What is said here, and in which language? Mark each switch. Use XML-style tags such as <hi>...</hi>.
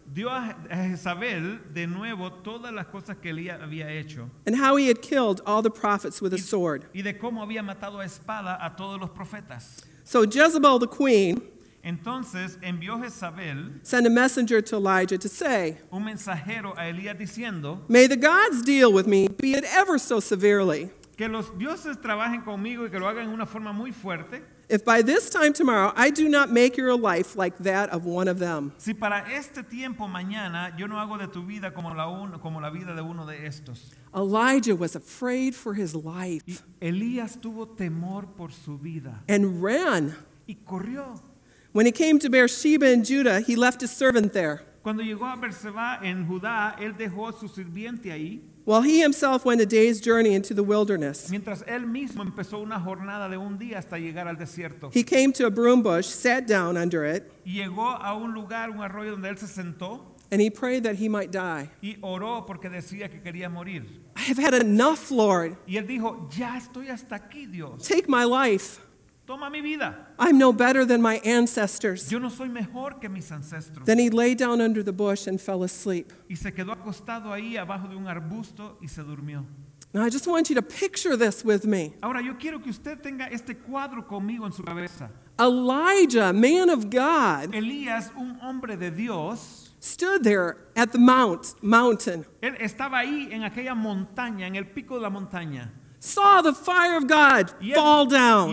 <es>Dio a Jezabel de nuevo todas las cosas que Elías había hecho.</es> <en>And how he had killed all the prophets with a sword.</en> <es>Y de cómo había matado a espada a todos los profetas.</es> <en>So Jezebel, the queen,</en> <es>entonces envió Jezabel,</es> <en>sent a messenger to Elijah to say,</en> <es>un mensajero a Elías diciendo,</es> <en>may the gods deal with me, be it ever so severely.</en> <es>Que los dioses trabajen conmigo y que lo hagan en una forma muy fuerte.</es> <en>If by this time tomorrow I do not make your life like that of one of them.</en> <es>Si para este tiempo mañana yo no hago de tu vida como la vida de uno de estos.</es> <en>Elijah was afraid for his life.</en> <es>Elías tuvo temor por su vida.</es> <en>And ran.</en> <es>Y corrió.</es> <en>When he came to Beersheba in Judah, he left his servant there.</en> <es>Cuando llegó a Beersheba en Judá, él dejó a su sirviente ahí.</es> <en>While he himself went a day's journey into the wilderness,</en> <es>mientras él mismo empezó una jornada de un día hasta llegar al desierto,</es> <en>he came to a broom bush, sat down under it,</en> <es>llegó a un lugar, un arroyo donde él se sentó,</es> <en>and he prayed that he might die.</en> <es>Y oró porque decía que quería morir.</es> <en>I have had enough, Lord.</en> <es>Y él dijo, ya estoy hasta aquí, Dios.</es> <en>Take my life.</en> <es>Toma mi vida.</es> <en>I'm no better than my ancestors.</en> <es>Yo no soy mejor que mis ancestros.</es> <en>Then he lay down under the bush and fell asleep.</en> <es>Y se quedó acostado ahí abajo de un arbusto y se durmió.</es> <en>Now I just want you to picture this with me.</en> <es>Ahora yo quiero que usted tenga este cuadro conmigo en su cabeza.</es> <en>Elijah, man of God,</en> <es>Elías, un hombre de Dios,</es> <en>stood there at the mountain.</en> <es>Él estaba ahí en aquella montaña, en el pico de la montaña.</es> <en>Saw the fire of God fall down.</en>